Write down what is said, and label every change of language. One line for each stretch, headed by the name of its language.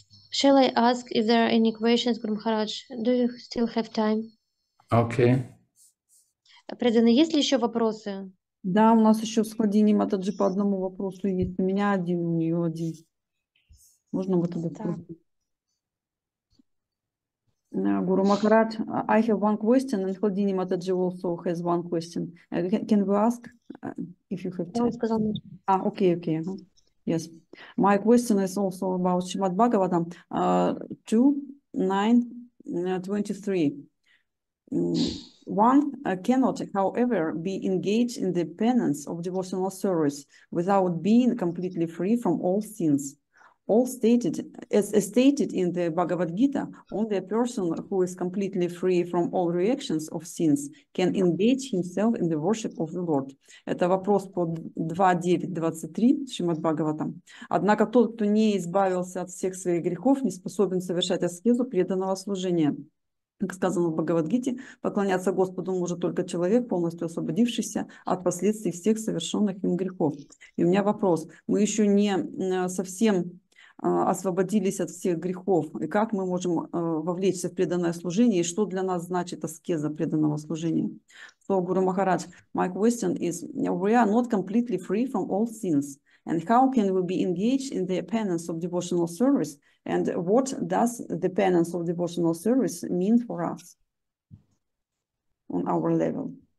English: Shall I ask if there are any questions, Guru Maharaj? Do you still have time? Okay.
Russian: Преданные, есть ли еще вопросы? Да, у нас еще с Хладини Матаджи по одному вопросу есть. У меня один, у нее один. Можно вот этот вопрос?
English: Guru Maharaj, I have one question, and Hladini Mataji also has one question. Can we ask if you have time? Ah, okay, okay. Yes. My question is also about Srimad Bhagavatam 2.9.23. One cannot, however, be engaged in the penance of devotional service without being completely free from all sins. All stated, as stated in the Bhagavad Gita, only a person who is completely free from all reactions of sins can engage himself in the worship of the Lord.
Russian: Это вопрос по 2.9.23 Шримад Бхагаватам. Однако тот, кто не избавился от всех своих грехов, не способен совершать аскезу преданного служения. Как сказано в Бхагавадгите, поклоняться Господу может только человек, полностью освободившийся от последствий всех совершенных им грехов. И у меня вопрос. Мы еще не совсем освободились от всех грехов, и как мы можем вовлечься в преданное служение, и что для нас значит аскеза преданного служения?
English: So, Guru Maharaj, my question is, we are not completely free from all sins, and how can we be engaged in the penance of devotional service, and what does the penance of devotional service mean for us on our level?